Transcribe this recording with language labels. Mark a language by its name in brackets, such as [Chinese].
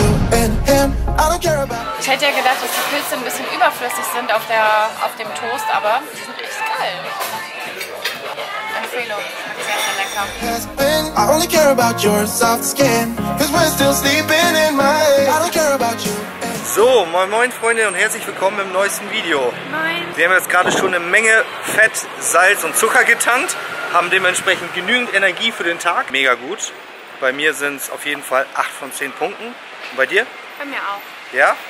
[German] Ich hätte ja gedacht, dass die Pilze ein bisschen überflüssig sind auf dem Toast, aber die sind echt geil. Empfehlung, sehr, sehr lecker. [English] I only care about your soft skin, cause we're still sleeping in my head. I don't care about you. [German] So, moin moin Freunde und herzlich willkommen im neuesten Video. Moin. Wir haben jetzt gerade schon eine Menge Fett, Salz und Zucker getankt, haben dementsprechend genügend Energie für den Tag. Mega gut. Bei mir sind es auf jeden Fall 8 von 10 Punkten. Und bei dir? Bei mir auch. Ja?